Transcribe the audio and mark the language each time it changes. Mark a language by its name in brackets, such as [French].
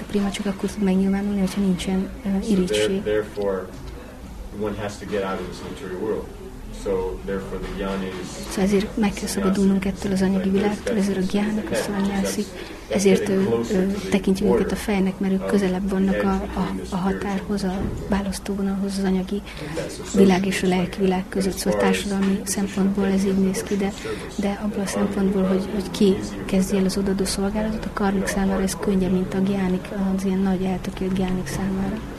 [Hungarian] A préma csak akkor tud megnyilvánulni, hogyha nincsen irigység. [English] One has to get out of this material world. So therefore the gyanis. [Hungarian] So ezért meg kell szabadulnunk ettől az anyagi világtól, ezért a gyánik a szanyászik, ezért tekintjük őket a fejnek, mert ők közelebb vannak a határhoz, a választóvonalhoz, az anyagi világ és a lelki világ között. Szóval társadalmi szempontból ez így néz ki, de abból a szempontból, hogy ki kezdi el az odaadó szolgálatot, a karmik számára ez könnyebb, mint a gyánik, az ilyen nagy eltökélt gyánik számára.